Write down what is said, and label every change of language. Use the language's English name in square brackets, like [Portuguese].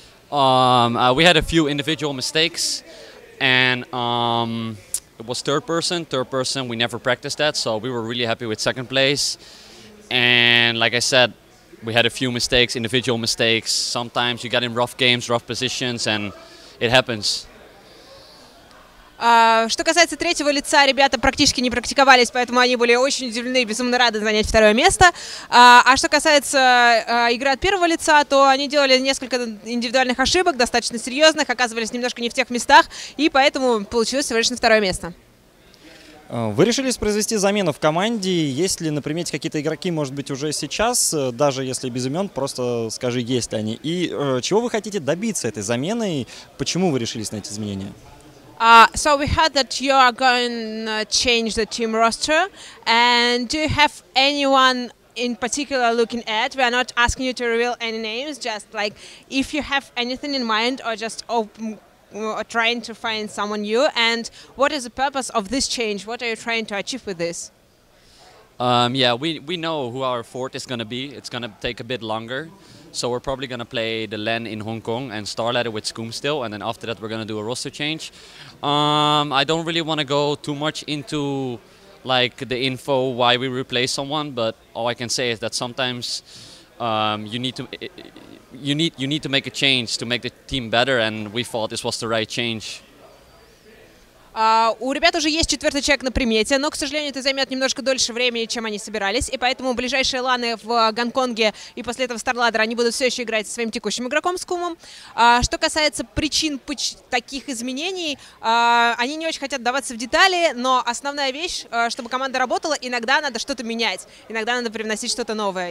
[English] We had a few individual mistakes. And it was third person. Third person, we never practiced that. So, we were really happy with second place. And, like I said, we had a few mistakes, individual mistakes. Sometimes you get in rough games, rough positions, and it happens. [Russian] Что касается третьего лица, ребята практически не практиковались, поэтому они были очень удивлены и безумно рады занять второе место. А что касается игры от первого лица, то они делали несколько индивидуальных ошибок, достаточно серьезных, оказывались немножко не в тех местах, и поэтому получилось всего лишь на второе место. Вы решили произвести замену в команде. Есть ли на примете какие-то игроки, может быть, уже сейчас, даже если без имен, просто скажи, есть ли они. И чего вы хотите добиться этой замены, и почему вы решились на эти изменения? [English] So we heard that you are going to change the team roster. And do you have anyone in particular looking at? We are not asking you to reveal any names, just like if you have anything in mind or just open... or trying to find someone new, and what is the purpose of this change? What are you trying to achieve with this? We know who our fort is going to be. It's going to take a bit longer, so we're probably going to play the LAN in Hong Kong and Starladder with Skoom still, and then after that we're going to do a roster change. I don't really want to go too much into like the info why we replace someone, but all I can say is that sometimes you need to make a change to make the team better, and we thought this was the right change. [Russian] У ребят уже есть четвертый человек на примете, но, к сожалению, это займет немножко дольше времени, чем они собирались, и поэтому ближайшие ланы в Гонконге и после этого Starladder, они будут все еще играть со своим текущим игроком Скумом. Что касается причин таких изменений, они не очень хотят даваться в детали, но основная вещь, чтобы команда работала, иногда надо что-то менять, иногда надо привносить что-то новое.